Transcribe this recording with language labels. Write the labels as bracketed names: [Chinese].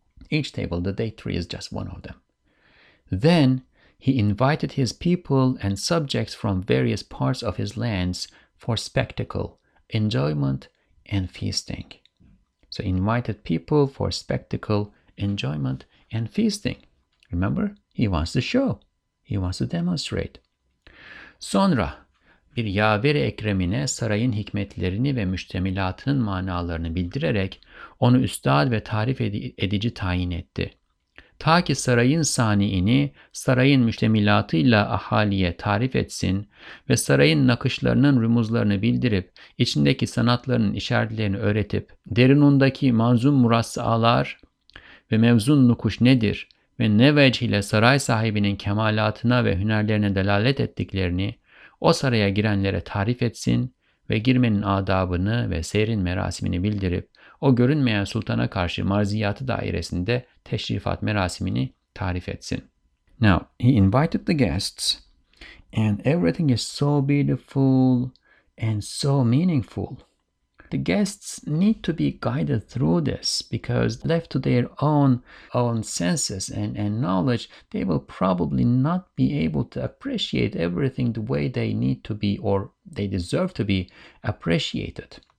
[English] Each table, the date tree, is just one of them. Then he invited his people and subjects from various parts of his lands for spectacle, enjoyment, and feasting. So he invited people for spectacle, enjoyment, and feasting. Remember, he wants to show. He wants to demonstrate. [Turkish] Sonra bir yaver-i ekremine sarayın hikmetlerini ve müştemilatının manalarını bildirerek onu üstad ve tarif edici tayin etti. Ta ki sarayın saniini, sarayın müştemilatıyla ahaliye tarif etsin ve sarayın nakışlarının rumuzlarını bildirip, içindeki sanatlarının işaretlerini öğretip, derinundaki manzum murassalar ve mevzun nukuş nedir ve ne vecih ile saray sahibinin kemalatına ve hünerlerine delalet ettiklerini, o saraya girenlere tarif etsin ve girmenin adabını ve seyrin merasimini bildirip, o görünmeyen sultana karşı marziyatı dairesinde teşrifat merasimini tarif etsin. [English] Now, he invited the guests, and everything is so beautiful and so meaningful. The guests need to be guided through this, because left to their own senses and knowledge, they will probably not be able to appreciate everything the way they need to be or they deserve to be appreciated.